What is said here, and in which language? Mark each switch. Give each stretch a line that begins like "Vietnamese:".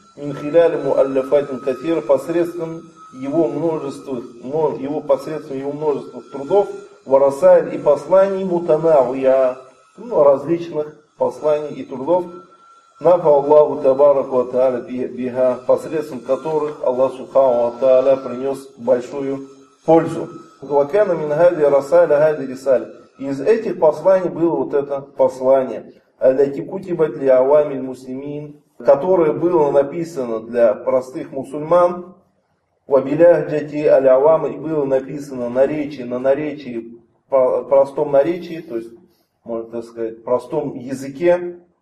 Arabic: من خلال مؤلفات كثيرة
Russian: посредством его множества, его посредством его множества трудов, ورسائل и посланий متنوعة, различных посланий и трудов,
Arabic: نفع الله تبارك وتعالى بها,
Russian: посредством которых Аллах سبحانه وتعالى принес большую пользу.
Arabic: وكان من هذه الرسائل هذه الرسالة.
Russian: Из этих посланий было вот это послание,
Arabic: التي كتبت لعوام المسلمين,
Russian: которое было написано для простых мусульман,
Arabic: وبلهجتي العوام,
Russian: и было написано на наречии, простом наречии, то есть, можно так сказать, простом языке.